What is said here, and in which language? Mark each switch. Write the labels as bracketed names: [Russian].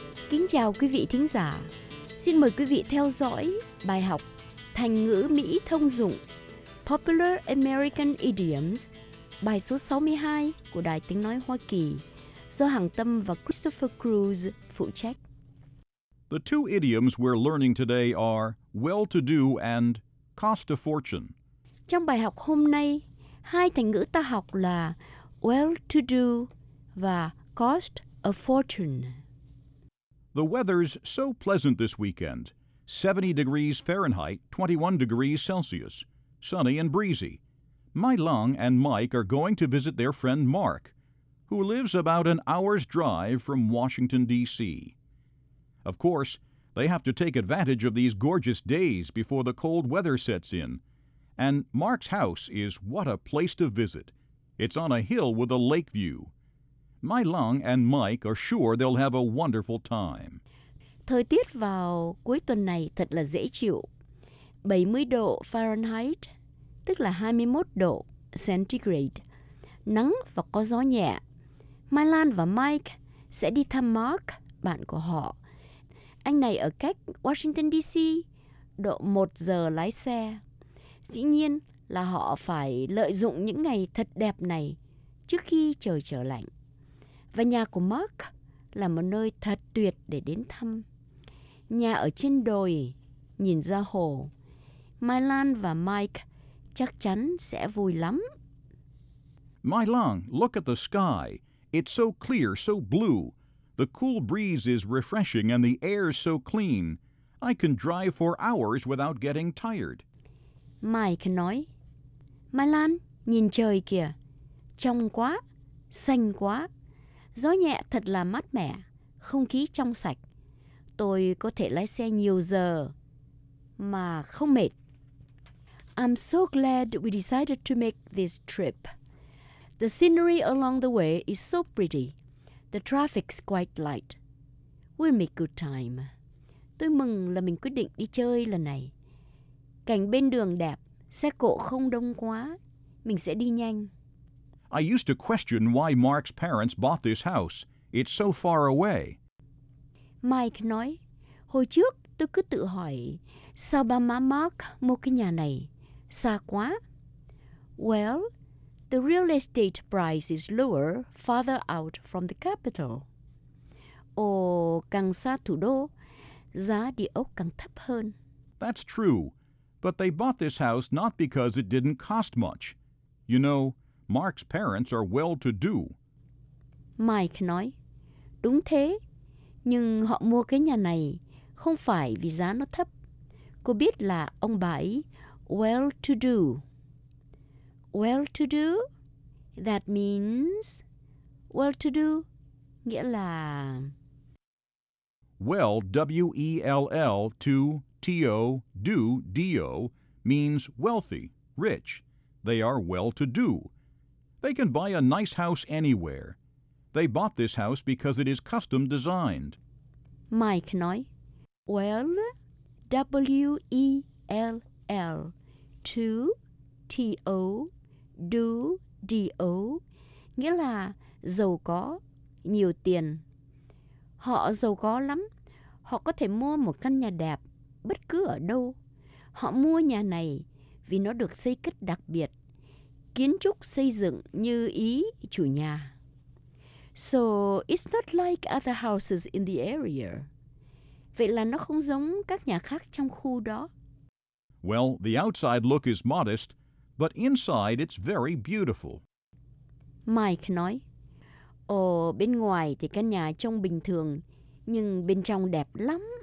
[Vietnamese] Kính chào quý vị thính giả. Xin mời quý vị theo dõi bài học thành ngữ Mỹ thông dụng Popular American Idioms, bài số 62 của Đài Tiếng Nói Hoa Kỳ, do Hằng Tâm và Christopher Cruz phụ trách. [English] The two idioms we're learning today are well-to-do and cost a fortune. [Vietnamese] Trong bài học hôm nay, hai thành ngữ ta học là well-to-do và cost a fortune. [English] The weather's so pleasant this weekend. 70 degrees Fahrenheit, 21 degrees Celsius. Sunny and breezy. My Lung and Mike are going to visit their friend Mark, who lives about an hour's drive from Washington, D.C. Of course, They have to take advantage of these gorgeous days before the cold weather sets in. And Mark's house is what a place to visit. It's on a hill with a lake view. Mai Lung and Mike are sure they'll have a wonderful time. [Vietnamese] Thời tiết vào cuối tuần này thật là dễ chịu. 70 độ Fahrenheit, tức là 21 độ Centigrade. Nắng và có gió nhẹ. Mai Lan và Mike sẽ đi thăm Mark, bạn của họ. Anh này ở cách Washington DC, độ 1 giờ lái xe. Dĩ nhiên là họ phải lợi dụng những ngày thật đẹp này trước khi trời trở lạnh. Và nhà của Mark là một nơi thật tuyệt để đến thăm. Nhà ở trên đồi, nhìn ra hồ. Mai Lan và Mike chắc chắn sẽ vui lắm. [English] Mai Lan, look at the sky. It's so clear, so blue. The cool breeze is refreshing and the air is so clean. I can drive for hours without getting tired. [Vietnamese] Mike nói, Mai Lan, nhìn trời kìa. Trong quá, xanh quá. Gió nhẹ thật là mát mẻ, không khí trong sạch. Tôi có thể lái xe nhiều giờ mà không mệt. [English] I'm so glad we decided to make this trip. The scenery along the way is so pretty. The traffic's quite light. We'll make good time. [Vietnamese] Tôi mừng là mình quyết định đi chơi lần này. Cảnh bên đường đẹp, xe cộ không đông quá. Mình sẽ đi nhanh. [English] I used to question why Mark's parents bought this house. It's so far away. [Vietnamese] Mike nói, hồi trước tôi cứ tự hỏi, sao ba má Mark mua cái nhà này? Xa quá. [English] Well, the real estate price is lower farther out from the capital. [Vietnamese] Ồ, càng xa thủ đô, giá địa ốc càng thấp hơn. [English] That's true. But they bought this house not because it didn't cost much. You know, Mark's parents are well-to-do. [Vietnamese] Mike nói, đúng thế, nhưng họ mua cái nhà này không phải vì giá nó thấp. Cô biết là ông bà ấy well-to-do. [English] Well-to-do, that means well-to-do, [Vietnamese] nghĩa là... [English] Well, W-E-L-L, to, T-O, do, D-O, means wealthy, rich. They are well-to-do. They can buy a nice house anywhere. They bought this house because it is custom designed. [Vietnamese] Mike nói, well, W-E-L-L, to, T-O, do, D-O, nghĩa là giàu có, nhiều tiền. Họ giàu có lắm. Họ có thể mua một căn nhà đẹp bất cứ ở đâu. Họ mua nhà này vì nó được xây cất đặc biệt. Kiến trúc xây dựng như ý chủ nhà. [English] So, it's not like other houses in the area. [Vietnamese] Vậy là nó không giống các nhà khác trong khu đó. [English] Well, the outside look is modest, but inside it's very beautiful. [Vietnamese] Mike nói, ồ, bên ngoài thì căn nhà trông bình thường, nhưng bên trong đẹp lắm.